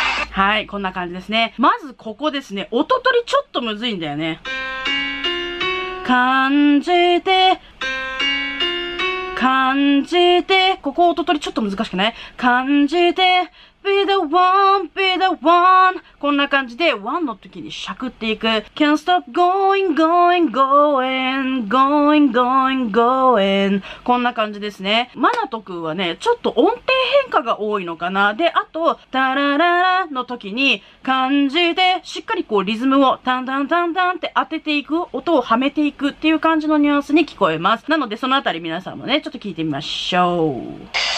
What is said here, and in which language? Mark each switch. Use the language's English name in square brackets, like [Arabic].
[Japanese] はい、こんな感じですね。まずここですね。音取りちょっとむずいんだよね。感じて感じて、ここ音取りちょっと難しくない？感じて [English] Be the one, be the one。 [Japanese] こんな感じで1の時にしゃくっていく。 [English] Can't stop going, going, going, going, going, going。 [Japanese] こんな感じですね。マナト君はね、ちょっと音程変化が多いのかな。で、あとタラララの時に感じてしっかりこうリズムをタンタンタンタンって当てていく、音をはめていくっていう感じのニュアンスに聞こえます。なのでそのあたり皆さんもね、ちょっと聞いてみましょう。